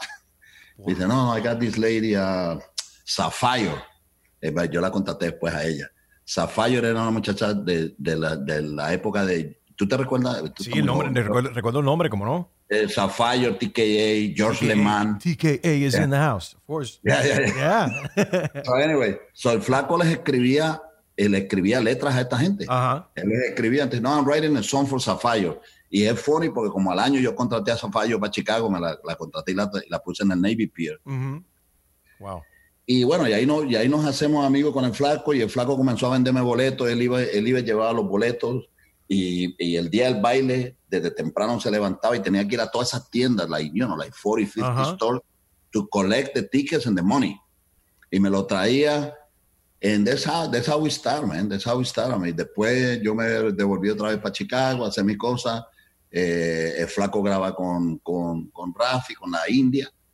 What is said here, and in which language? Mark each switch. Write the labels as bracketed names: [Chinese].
[English] Wow. He said, "No, I got this lady, Sapphire." [Spanish] Yo la contacté después a ella. Sapphire era una muchacha de la época de... ¿Tú te recuerdas? ¿Tú sí, el nombre. Recuerdo el nombre, ¿cómo no? Sapphire, TKA, George LeMann. [English] TKA is in the house, of course. Yeah. So anyway, so [Spanish] el flaco le escribía letras a esta gente. Uh-huh. Él les escribía antes, [English] "No, I'm writing a song for Sapphire." [Spanish] Y es funny porque como al año yo contraté a Sapphire para Chicago, me la contraté y la puse en el Navy Pier. Uh-huh. Wow. Y bueno, y ahí nos hacemos amigos con el flaco, y el flaco comenzó a venderme boletos. Él iba a llevar los boletos, y el día del baile, desde temprano se levantaba y tenía que ir a todas esas tiendas, [English] like 40, 50 [Spanish] uh-huh. [English] stores, to collect the tickets and the money. [Spanish] Y me lo traía, [English] and that's how we start, man. That's how we start. I mean, [Spanish] después yo me devolví otra vez para Chicago a hacer mis cosas. El flaco graba con Rafi, con la India.